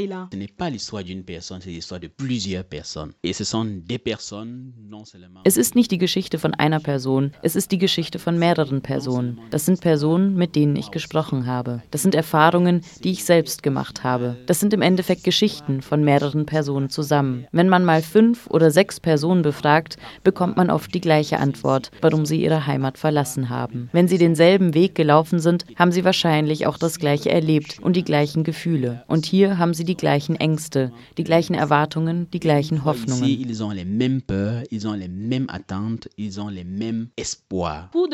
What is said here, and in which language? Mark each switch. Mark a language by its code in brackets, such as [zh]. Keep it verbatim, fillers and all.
[fr] Ce n'est pas l'histoire d'une personne, c'est l'histoire de plusieurs personnes. Et ce sont des personnes non seulement... [de] Es ist nicht die Geschichte von einer Person, es ist die Geschichte von mehreren Personen. Das sind Personen, mit denen ich gesprochen habe. Das sind Erfahrungen, die ich selbst gemacht habe. Das sind im Endeffekt Geschichten von mehreren Personen zusammen. Wenn man mal fünf oder sechs Personen befragt, bekommt man oft die gleiche Antwort, warum sie ihre Heimat verlassen haben. Wenn sie denselben Weg gelaufen sind, haben sie wahrscheinlich auch das Gleiche erlebt und die gleichen Gefühle. Und hier haben sie die gleichen Ängste, die gleichen Erwartungen, die gleichen Hoffnungen. [fr] Ils ont les mêmes peurs, ils ont les mêmes attentes, ils ont les mêmes espoirs.